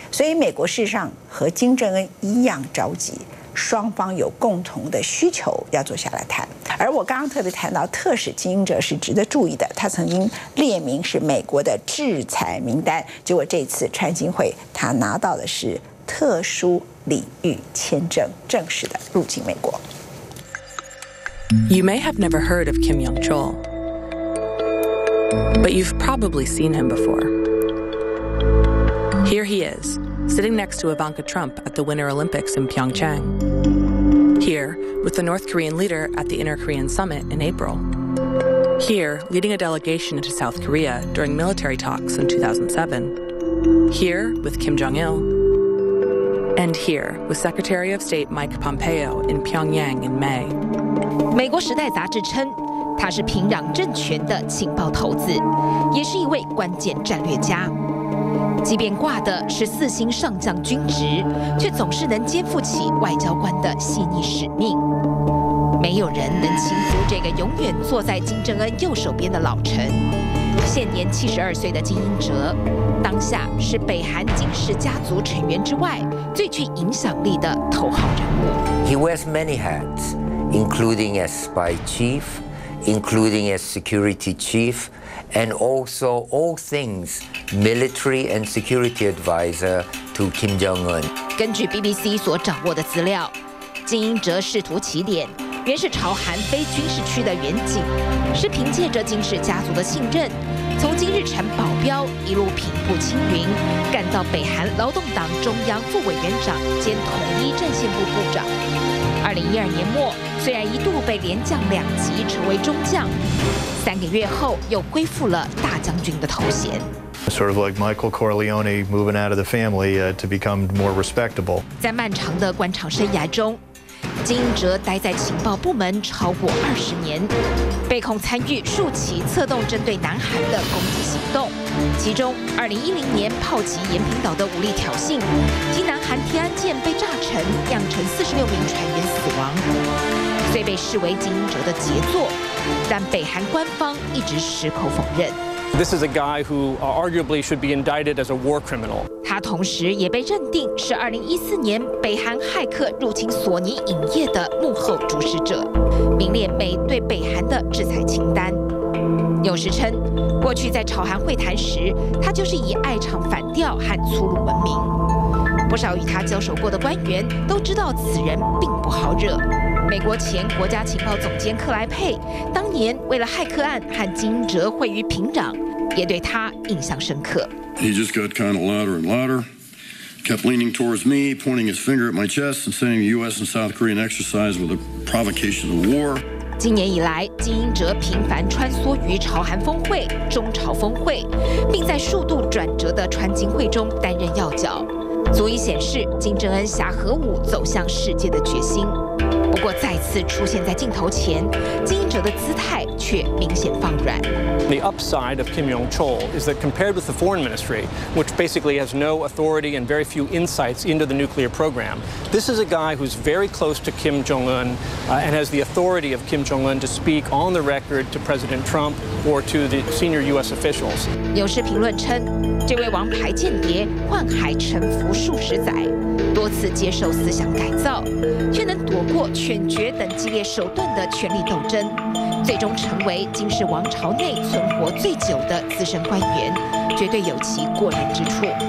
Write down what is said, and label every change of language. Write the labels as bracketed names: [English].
[Chinese] 所以美国事实上和金正恩一样着急，双方有共同的需求要坐下来谈。而我刚刚特别谈到特使金英哲是值得注意的，他曾经列名是美国的制裁名单，结果这次川金会他拿到的是特殊礼遇签证，正式的入境美国。 [English] You may have never heard of Kim Young-chol. But you've probably seen him before. Here he is, sitting next to Ivanka Trump at the Winter Olympics in Pyeongchang. Here, with the North Korean leader at the Inter-Korean Summit in April. Here, leading a delegation into South Korea during military talks in 2007. Here, with Kim Jong-il. And here, with Secretary of State Mike Pompeo in Pyongyang in May. [Chinese] 美国时代杂志称他是平壤政权的情报头子，也是一位关键战略家。即便挂的是四星上将军职，却总是能肩负起外交官的细腻使命。没有人能轻忽这个永远坐在金正恩右手边的老臣。现年72岁的金英哲，当下是北韩金氏家族成员之外最具影响力的头号人物。 [English] He wears many hats, including as spy chief. including as security chief, and also all things military and security advisor to Kim Jong-un. [Chinese] 根据 BBC 所掌握的资料，金英哲仕途起点原是朝韩非军事区的远景，是凭借着金氏家族的信任，从金日成保镖一路平步青云，干到北韩劳动党中央副委员长兼统一战线部部长。 2012年末，虽然一度被连降两级，成为中将，三个月后又恢复了大将军的头衔。 [English] Sort of like Michael Corleone moving out of the family to become more respectable。 [Chinese] 在漫长的官场生涯中，金英哲待在情报部门超过20年，被控参与数起策动针对南韩的攻击行动，其中2010年炮击延坪岛的武力挑衅，及南韩天安舰被炸沉，酿成46名船员死亡，虽被视为金英哲的杰作，但北韩官方一直矢口否认。 [English] This is a guy who arguably should be indicted as a war criminal. [Chinese] 他同时也被认定是2014年北韩骇客入侵索尼影业的幕后主使者，名列美对北韩的制裁清单。有时称，过去在朝韩会谈时，他就是以爱唱反调和粗鲁闻名。不少与他交手过的官员都知道此人并不好惹。美国前国家情报总监克莱佩当年为了骇客案和金英哲会于平壤，也对他印象深刻。 [English] He just got kind of louder and louder, kept leaning towards me, pointing his finger at my chest and saying U.S. and South Korean exercise was a provocation of war. [Chinese] 今年以来，金英哲频繁穿梭于朝韩峰会、中朝峰会，并在数度转折的川金会中担任要角。足以显示金正恩挟核武走向世界的决心。不过，再次出现在镜头前，金英哲的姿态却明显放软。 [English] The upside of Kim Jong-chol is that compared with the foreign ministry, which basically has no authority and very few insights into the nuclear program, this is a guy who's very close to Kim Jong-un, and has the authority of Kim Jong-un to speak on the record to President Trump or to the senior U.S. officials. [Chinese] 有时评论称，这位王牌间谍宦海沉浮数十载，多次接受思想改造，却能躲过犬决等激烈手段的权力斗争，最终成为金氏王朝内存活最久的资深官员，绝对有其过人之处。